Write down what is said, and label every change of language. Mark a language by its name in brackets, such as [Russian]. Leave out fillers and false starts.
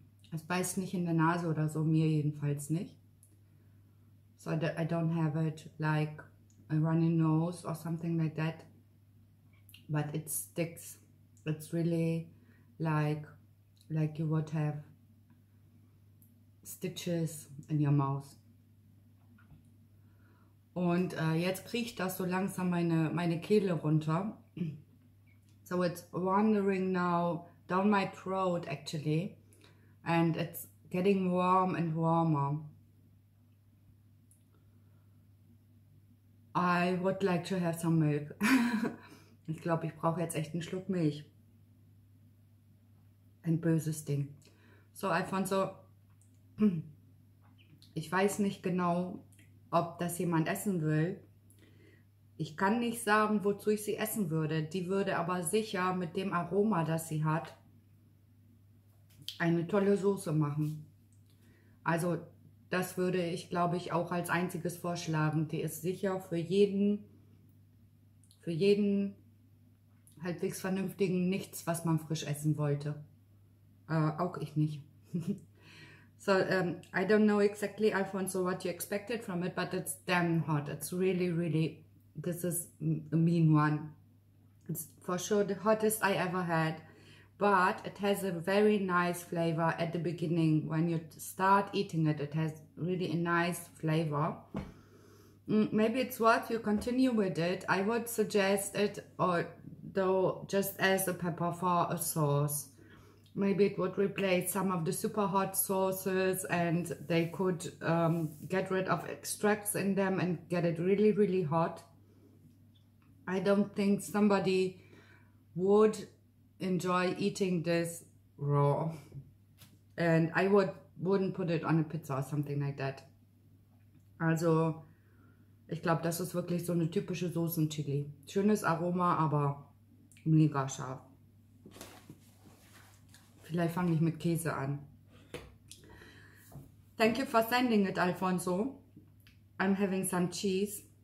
[German] Es beißt nicht in der Nase oder so, mir jedenfalls nicht. [English] So I don't have it like a runny nose or something like that. But it sticks. It's really like you would have stitches in your mouth. [German] Und jetzt kriecht das so langsam meine Kehle runter. [English] So it's wandering now down my throat actually. And it's getting warm and warmer. I would like to have some milk. [German] Ich glaube, ich brauche jetzt echt einen Schluck Milch. Ein böses Ding. So, Alfonso, ich weiß nicht genau, ob das jemand essen will. Ich kann nicht sagen, wozu ich sie essen würde. Die würde aber sicher mit dem Aroma, das sie hat, eine tolle Soße machen. Also das würde ich, glaube ich, auch als einziges vorschlagen. Die ist sicher für jeden halbwegs vernünftigen nichts, was man frisch essen wollte. Auch ich nicht. [English] So, I don't know exactly, Alfonso, what you expected from it, but it's damn hot. It's really, really, this is a mean one. It's for sure the hottest I ever had. But it has a very nice flavor at the beginning. When you start eating it, it has really a nice flavor. Maybe it's worth you continue with it. I would suggest it, or though, just as a pepper for a sauce. Maybe it would replace some of the super hot sauces, and they could get rid of extracts in them and get it really, really hot. I don't think somebody would enjoy eating this raw, and I wouldn't put it on a pizza or something like that. [German] Also ich glaube, das ist wirklich so eine typische Soßen-Chili. Schönes Aroma, aber mega scharf. Vielleicht fange ich mit Käse an. [English] Thank you for sending it, Alfonso. I'm having some cheese.